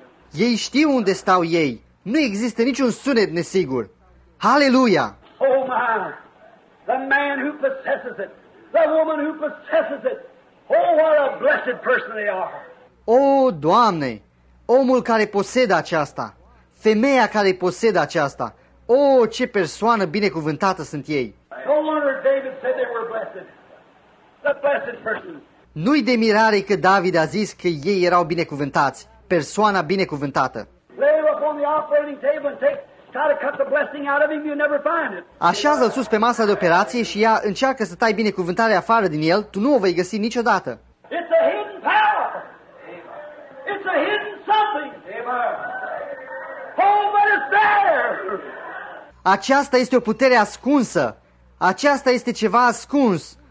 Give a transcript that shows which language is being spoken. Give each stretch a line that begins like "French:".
Romanian: Ei știu unde stau ei. Nu există niciun sunet nesigur.
English: Hallelujah! Oh my! The man who possesses it, the woman who possesses it, oh, what a blessed person they are!
Romanian: Oh, Doamne, omul care posedă aceasta, femeia care posedă aceasta, oh, ce persoană binecuvântată sunt ei!
English: No wonder David said they were blessed. The blessed person.
Romanian: Nu-i de mirare că David a zis că ei erau binecuvântați, persoana binecuvântată.
English: Lay him up on the operating table and try to cut the blessing out of him, you never find it.
Romanian: Așează-l sus pe masa de operație și ia, încearcă să tai binecuvântarea afară din el, tu nu o vei găsi niciodată.
English: It's a hidden power. It's a hidden something. Oh, but it's there.
Romanian: Aceasta este o putere ascunsă. Aceasta este ceva ascuns.